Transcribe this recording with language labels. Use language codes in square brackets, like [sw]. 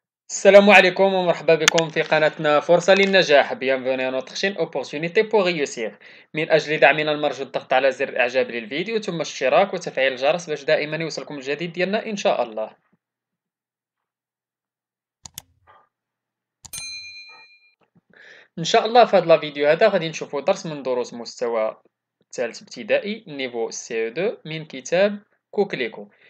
[ar] السلام عليكم ومرحبا بكم في قناتنا فرصة للنجاح. [fr] Bienvenue à notre chaîne Opportunité pour réussir. [ar] من أجل دعمنا المرجو الضغط على زر إعجاب للفيديو ثم الاشتراك وتفعيل الجرس باش دائما يوصلكم الجديد ديالنا إن شاء الله. إن شاء الله في هذا الفيديو هذا غادي نشوفوا درس من دروس مستوى الثالث ابتدائي نيفو CE2 من كتاب كوكليكو.